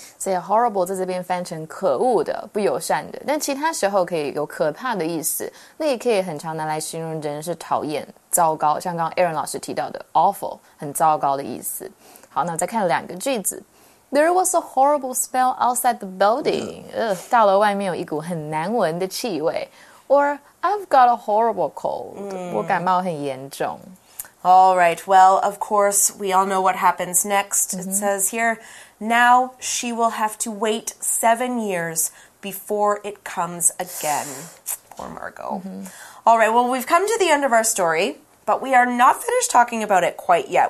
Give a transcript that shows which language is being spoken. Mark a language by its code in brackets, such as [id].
[zh] So horrible 在这边翻成可恶的、不友善的，但其他时候可以有可怕的意思。那也可以很常拿来形容人是讨厌、糟糕，像刚刚 Aaron 老师提到的 awful， 很糟糕的意思。好，那再看两个句子。 [en] There was a horrible smell outside the building. [zh] 大楼外面有一股很难闻的气味。 [en] Or I've got a horrible cold. [zh] 我感冒很严重。 [en] All right, well, of course, we all know what happens next. It says here, now she will have to wait 7 years before it comes again. Poor Margot. All right, well, we've come to the end of our story, but we are not finished talking about it quite yet.